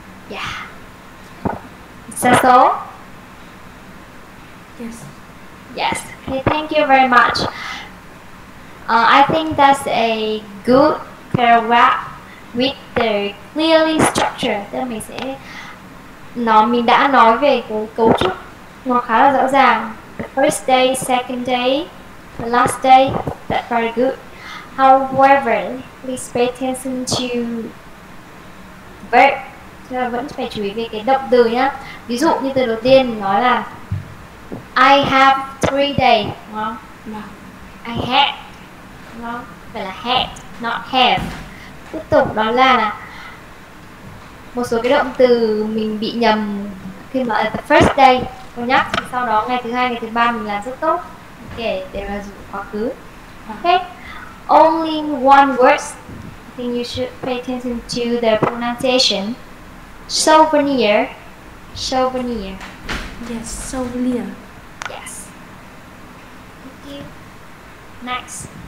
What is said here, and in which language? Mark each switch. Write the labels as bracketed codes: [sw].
[en] Yeah. Is that so? Yes. Yes. Okay, thank you very much. I think that's a good paragraph with the clearly structure. That means [vi] mình đã nói về cấu trúc nó khá là rõ ràng. [en] The first day, second day, the last day, that's very good. However, please pay attention to verb. [vi] Chúng ta vẫn phải chú ý về cái động từ nhá. Ví dụ như từ đầu tiên mình nói là [en] I have 3 days, [vi] đúng không? [en] No. I had, [vi] đúng không? Phải là [en] had, not have. [vi] Tiếp tục đó là một số cái động từ mình bị nhầm khi mà [en] at the first day [vi] cô nhắc, thì sau đó ngày thứ hai, ngày thứ ba mình làm rất tốt. Ok, để là dùng quá khứ. [en] Ok, only one word. I think you should pay attention to the pronunciation. Souvenir. Souvenir. Yes, souvenir. Yes. Thank you. Next.